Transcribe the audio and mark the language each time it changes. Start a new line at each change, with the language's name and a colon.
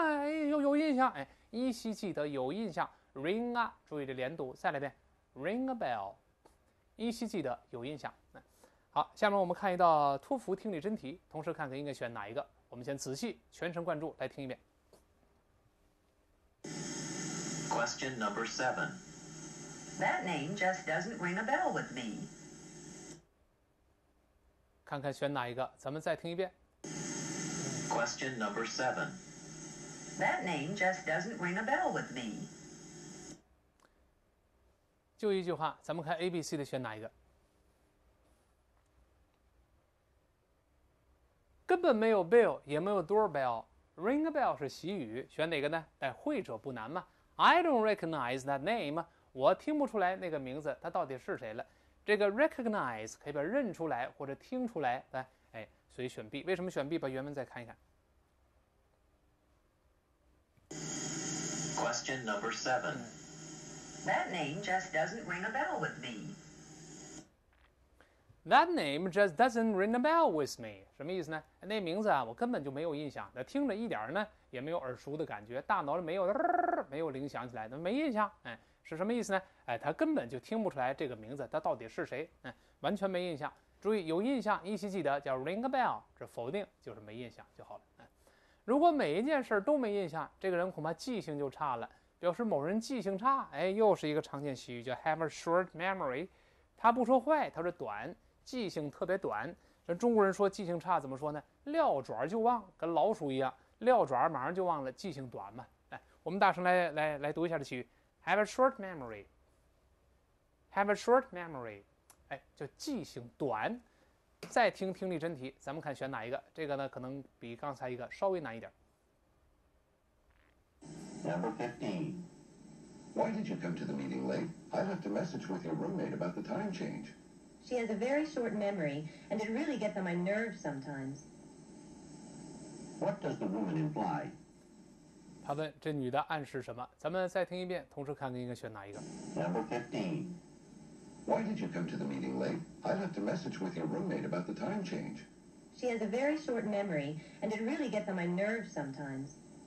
Chinese: 哎，有印象，哎，依稀记得，有印象。 ring a， 注意这连读，再来一遍 ，
English: ring a bell，
Chinese: 依稀记得，有印象。好，下面我们看一道托福听力真题，同时看看应该选哪一个。我们先仔细全神贯注来听一遍。
English: Question number seven. That name just doesn't ring a bell with me.
Chinese: 看看选哪一个，咱们再听一遍。 Question number seven. That name just doesn't ring a bell with me. 就一句话，咱们看 A、B、C 的选哪一个？根本没有 bell，也没有 doorbell。Ring a bell 是习语，选哪个呢？但会者不难嘛。
English: I don't recognize that name，
Chinese: 我听不出来那个名字，它到底是谁了？这个 recognize 可以把认出来或者听出来，来，哎，所以选 B。为什么选 B？ 把原文再看一看。
English: Question number seven. That name just doesn't ring a bell with me. That name just doesn't ring a bell with me，
Chinese: 什么意思呢？那名字啊，我根本就没有印象，那听着一点呢也没有耳熟的感觉，大脑里没有铃响起来，那没印象，哎，是什么意思呢？哎，他根本就听不出来这个名字，他到底是谁？完全没印象。注意，有印象，依稀记得，叫 ring a bell，这否定就是没印象就好了。如果每一件事都没印象，这个人恐怕记性就差了，表示某人记性差。哎，又是一个常见习语，叫
English: have a short memory，
Chinese: 他不说坏，他是短。记性特别短，这中国人说记性差怎么说呢？撂爪就忘，跟老鼠一样，撂爪马上就忘了，记性短嘛。来，我们大声来读一下这句：
English: Have a short memory，have a short memory。
Chinese: 哎，就记性短。再听听力真题，咱们看选哪一个？这个呢，可能比刚才一个稍微难一点。
English: Number 15，Why did you come to the meeting late? I left a message with your roommate about the time change. She has a very short memory, and it really gets on my nerves sometimes. What does the woman imply?
Chinese: 他问这女的暗示什么？咱们再听一遍，同时看看应该选哪一个。
English: Number 15. Why did you come to the meeting late? I left a message with your roommate about the time change. She has a very short memory, and it really gets on my nerves sometimes.